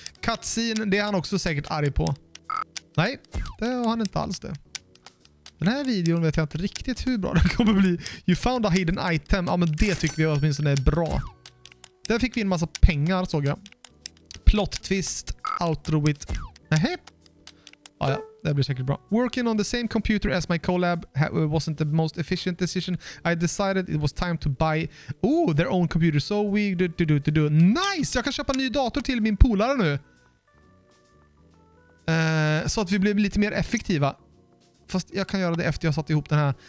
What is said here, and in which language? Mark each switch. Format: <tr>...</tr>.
<sv>Cutscene, det är han också säkert arg på. Nej, det var han inte alls det. Den här videon vet jag inte riktigt hur bra den kommer bli.</sv> <en>You found a hidden item.</en> <sv>Ja, men det tycker vi åtminstone är bra. Där fick vi en massa pengar, såg jag.</sv> <en>Plot twist. Outro with...</en> <sv>Nähä. Ah, ja, det blir säkert bra.</sv> <en>Working on the same computer as my collab wasn't the most efficient decision. I decided it was time to buy... Ooh, their own computer. So we... Do. Nice!</en> <sv>Jag kan köpa en ny dator till min polare nu. Så att vi blir lite mer effektiva. Fast jag kan göra det efter jag satt ihop den här.</sv>